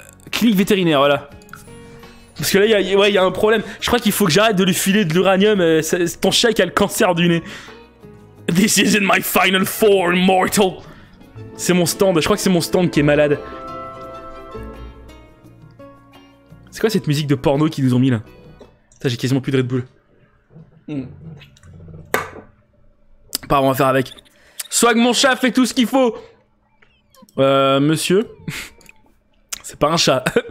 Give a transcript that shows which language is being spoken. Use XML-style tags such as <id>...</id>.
<fr>Clinique vétérinaire, voilà. Parce que là, y a un problème. Je crois qu'il faut que j'arrête de lui filer de l'uranium. Ton chat qui a le cancer du nez.</fr> <en>This isn't my final form, mortal.</en> <fr>C'est mon stand. Je crois que c'est mon stand qui est malade. C'est quoi cette musique de porno qu'ils nous ont mis, là? Putain, j'ai quasiment plus de Red Bull. Pardon, on va faire avec. Soit que mon chat fait tout ce qu'il faut. Monsieur. C'est pas un chat.</fr>